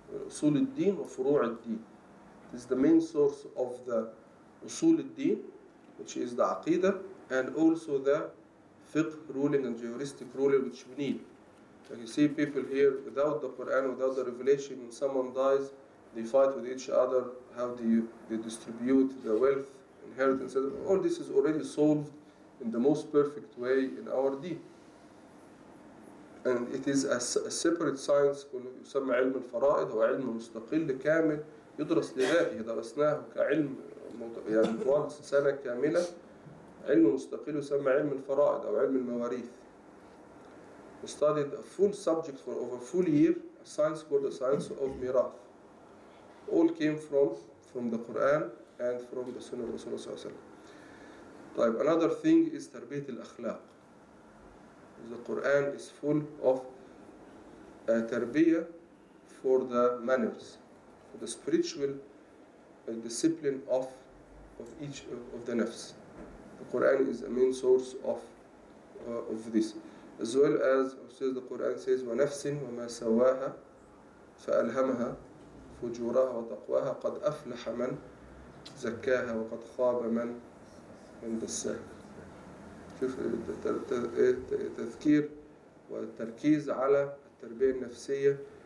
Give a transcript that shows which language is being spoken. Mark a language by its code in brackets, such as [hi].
[en] Usul al-deen wa furu' al-deen. It is the main source of the usul al-deen, which is the aqidah, and also the fiqh ruling and juristic ruling, which we need. And you see people here, without the Quran, without the revelation, when someone dies, they fight with each other, how they distribute the wealth, inheritance, all this is already solved in the most perfect way in our deen. And it is a separate science called [ar] يسمى علم الفرائض هو علم مستقل كامل يدرس لغائه درسناه كعلم يعني طوال سنة كاملة علم مستقل يسمى علم الفرائض أو علم المواريث. [en] We studied a full subject for over a full year, a science called the science of mirath. All came from the Quran and from the Sunnah of Rasulullah sallallahu alaihi wasallam. Another thing is tarbiyat al-akhlaq. The Quran is full of tarbiyah for the manners, for the spiritual discipline of each of the nafs. The Quran is a main source of this. As well as, says the Quran says, [ar] وَنَفْسٍ وَمَا سَوَاهَا فَأَلْهَمْهَا فُجُورَهَا وَتَقْوَاهَا قَدْ أَفْلَحَ مَنْ زَكَّاهَا وَقَدْ خَابَ مَنْ دَسَّاهَا. شوف التذكير والتركيز على التربية النفسية.